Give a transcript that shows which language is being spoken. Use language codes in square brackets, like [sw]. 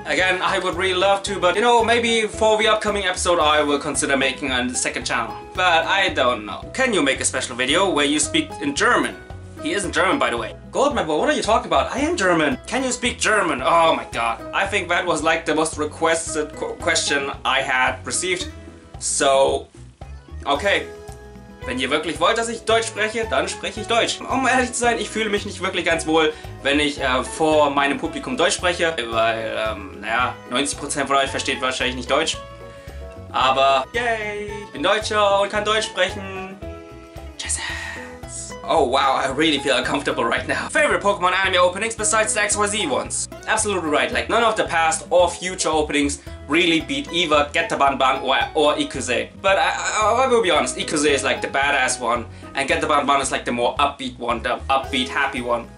[en] Again, I would really love to, but you know, maybe for the upcoming episode I will consider making a second channel. But I don't know. Can you make a special video where you speak in German? He isn't German, by the way. Goldmember, what are you talking about? I am German. Can you speak German? Oh my god. I think that was like the most requested question I had received. So, okay. [de] Wenn ihr wirklich wollt, dass ich Deutsch spreche, dann spreche ich Deutsch. Um ehrlich zu sein, ich fühle mich nicht wirklich ganz wohl, wenn ich vor meinem Publikum Deutsch spreche, weil, naja, 90% von euch versteht wahrscheinlich nicht Deutsch. Aber, yay, ich bin Deutscher und kann Deutsch sprechen. Tschüss. [en] Oh wow, I really feel uncomfortable right now. Favorite Pokemon anime openings besides the XYZ ones? Absolutely right, like none of the past or future openings really beat either Getabanban or Ikuze. But I will be honest, Ikuze is like the badass one, and Getabanban is like the more upbeat one, the upbeat happy one.